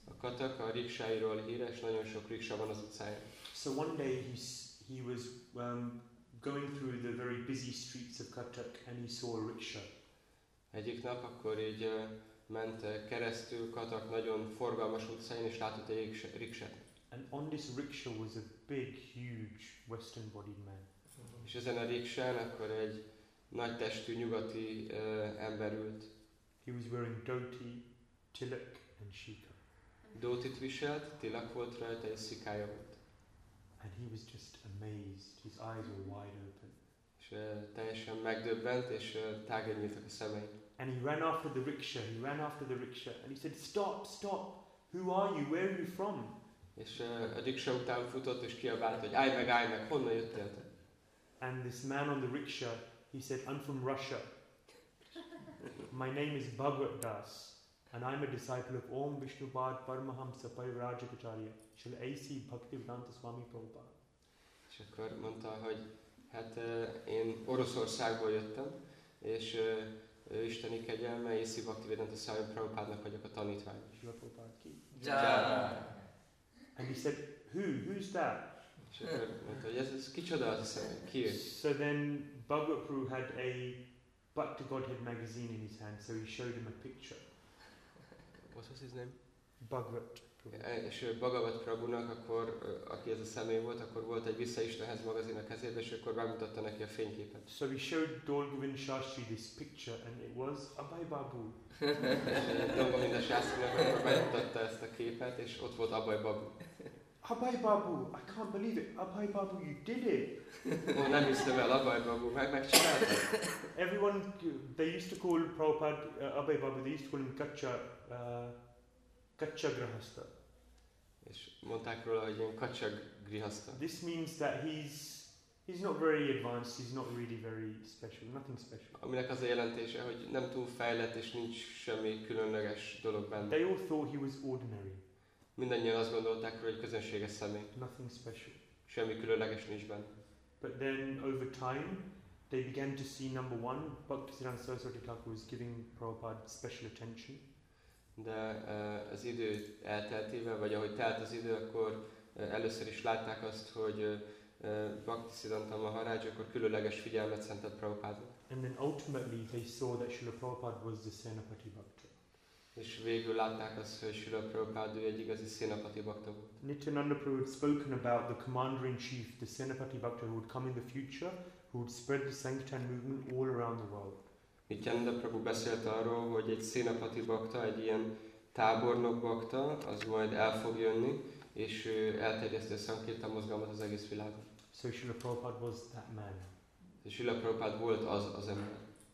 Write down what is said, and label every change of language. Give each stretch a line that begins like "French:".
Hungarian: A Cuttack a rikshairól híres, nagyon sok riksa van az utcáján.
English: So one day he was going through the very busy streets of Cuttack and he saw a rickshaw.
Hungarian: Egyik nap akkor így ment keresztül Cuttack nagyon forgalmas utcáin és látott egy rikshát.
English: And on this rickshaw was a big, huge, western-bodied man.
Hungarian: És ezen a rikshán akkor egy nagy testű nyugati ember ült.
English: He was wearing dhoti, tilak and sikha.
Hungarian: Dhotit viselt, tilak volt rajta és sikája volt.
English: And he was just amazed. His eyes were wide open. És teljesen megdöbbent és tágra nyíltak a szemei. And he ran after the rickshaw. He ran after the rickshaw and he said, "Stop, stop. Who are you? Where are you from?"
Hungarian: És a rickshaw után futott és kiabált, hogy állj meg, honnan jöttél te?
English: And this man on the rickshaw, he said, I'm from Russia. My name is Bhagwat Das, and I'm a disciple of Om Vishnu Pad Paramahamsa Parivrajakacharya, Srila A.C. Bhaktivedanta Swami Prabhupada.
Hungarian: És akkor mondta, hogy hát én Oroszországból jöttem, és isteni kegyelme, A.C. Bhaktivedanta Swami Prabhupadnak vagyok a tanítvány.
Bangla: Srila Prabhupada ki? Jaa!
English: And he said, who's that?
Hungarian: És akkor mondta, hogy ez kicsoda az a személy, ki ő?
English: So then Bhagwat Prabhu had a Back to Godhead magazine in his hand, so he showed him a picture. What was his name? Bhagwat Prabhu.
Hungarian: És Bhagavat Prabhunak akkor, aki ez a személy volt, akkor volt egy vissza Istenhez magazin a kezébe, és akkor bemutatta neki a fényképet.
English: So we showed Dol Govind Shastri this picture, and it was Abhay Babu.
Hungarian: Dol Govind Shastrinak akkor bemutatta ezt a képet, és ott volt Abhay Babu.
English: Abhay Babu, I can't believe it. Abhay Babu, you did it.
Hungarian: Oh, nem hiszem el, Abhay Babu, megcsináltad.
English: Everyone, they used to call Prabhupada, Abhay Babu, they used to call him Gacha, Kacsa grihasta.
Hungarian: És mondták róla, hogy ilyen kacsa grihasta.
English: This means that he's not very advanced, he's not really very special, nothing special.
Hungarian: Aminek az a jelentése, hogy nem túl fejlett és nincs semmi különleges dolog benne.
English: They all thought he was ordinary.
Hungarian: Mindannyian azt gondolták róla, hogy közönséges személy.
English: Nothing special.
Hungarian: Semmi különleges nincs benne.
English: But then over time, they began to see number one, Bhaktisiddhanta Saraswati Thakur was giving Prabhupada special attention.
Hungarian: De az idő elteltével, vagy ahogy telt az idő, akkor először is látták azt, hogy Bhaktisiddhanta Maharaj akkor különleges figyelmet szentett Prabhupádnak.
English: And then ultimately they saw that Srila Prabhupada was the Senapati Bhakta.
Hungarian: És végül látták azt, hogy Srila Prabhupada egy igazi Senapati Bhakta volt.
English: Nityananda Prabhu had spoken about the commander-in-chief, the Senapati Bhakta, who would come in the future, who would spread the Sankirtan movement all around the world.
Hungarian: Nityananda Prabhu beszélt arról, hogy egy Senapati Bhakta, egy ilyen tábornok bhakta, az majd el fog jönni, és ő elterjeszti a Sankirtan mozgalmat az egész világon.
English: So Srila Prabhupada was that man.
Hungarian: Srila Prabhupada volt az ember.